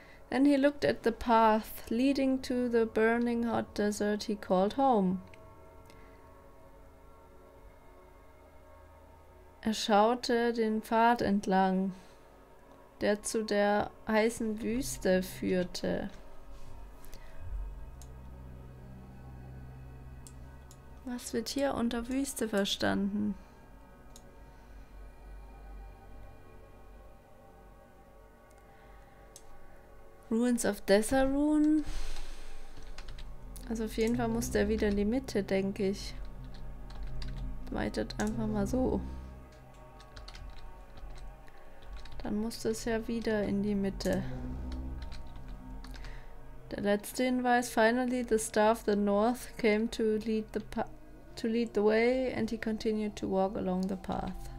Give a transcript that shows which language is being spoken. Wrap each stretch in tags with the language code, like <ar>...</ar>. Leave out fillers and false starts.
<en>Then he looked at the path leading to the burning hot desert he called home.</en> <de>Er schaute den Pfad entlang, der zu der heißen Wüste führte. Was wird hier unter Wüste verstanden? Ruins of Desarun. Also auf jeden Fall muss der wieder in die Mitte, denke ich. Weitet einfach mal so. Dann muss das ja wieder in die Mitte. Der letzte Hinweis:</de> <en>Finally, the star of the north came to lead the way and he continued to walk along the path.</en>